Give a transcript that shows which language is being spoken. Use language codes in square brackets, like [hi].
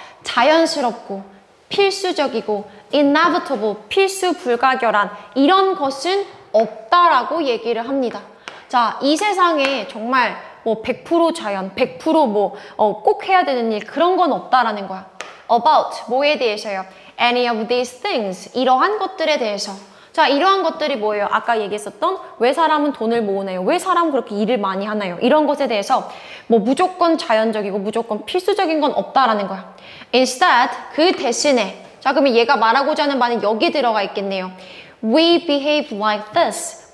[ko] 자연스럽고 필수적이고 inevitable, 필수 불가결한 이런 것은 없다라고 얘기를 합니다. 자, 이 세상에 정말 뭐 100% 자연, 100% 꼭 해야 되는 일 그런 건 없다라는 거야. About, 뭐에 대해서요? [en] Any of these things, [ko] 이러한 것들에 대해서. 자, 이러한 것들이 뭐예요? 아까 얘기했었던 왜 사람은 돈을 모으나요? 왜 사람 그렇게 일을 많이 하나요? 이런 것에 대해서 뭐 무조건 자연적이고 무조건 필수적인 건 없다라는 거야. Instead, 그 대신에. 자, 그럼 얘가 말하고자 하는 바는 여기 들어가 있겠네요. [en] We behave like this.